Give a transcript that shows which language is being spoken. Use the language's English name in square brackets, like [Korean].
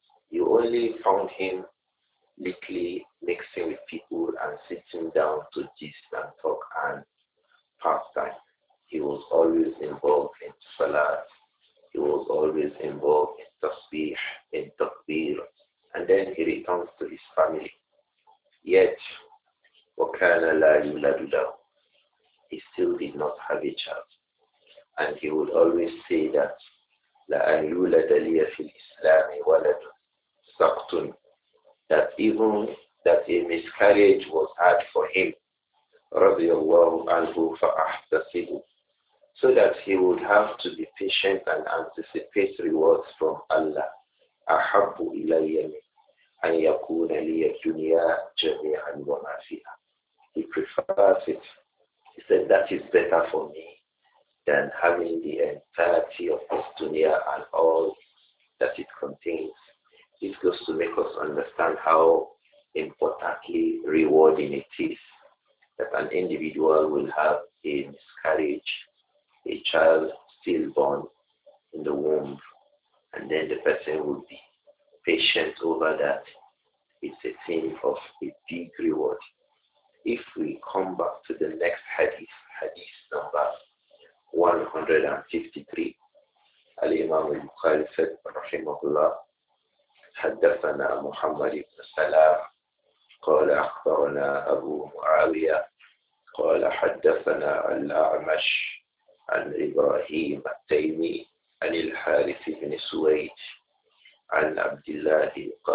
[English] You only found him literally mixing with people and sitting down to gist and talk and pastime. He was always involved in salat. He was always involved in tasbih, in takbir. And then he returns to his family. Yet, [Arabic] وَكَانَ لَا يُولَدُ لَهُ. [English] He still did not have a child. And he would always say that [Arabic] لَأَنْ يُولَدَ لِيَ فِي الْإِسْلَامِ وَلَدُ سَقْتٌ. [English] That even that a miscarriage was had for him, [Arabic] radiallahu anhu fa'ahtasibu, [English] so that he would have to be patient and anticipate rewards from Allah. [Arabic] أَحَبُّ إِلَيَّ مِنْ أَنْ يَكُونَ لِيَ الدُّنْيَا جَمِيعًا وَمَا فِيهَا. [English] He prefers it. He said, that is better for me than having the entirety of this dunya and all that it contains. It goes to make us understand how importantly rewarding it is that an individual will have a miscarriage, a child stillborn in the womb, and then the person will be patient over that. It's a thing of a big reward. If we come back to the next hadith, hadith number 153, Al-Imam al-Bukhari said, [Arabic] rahimahullah, حدثنا محمد بن سلام قال أخبرنا أبو معاوية قال حدثنا الأعمش عن إبراهيم التيمي عن الحارث بن سويد عن عبد الله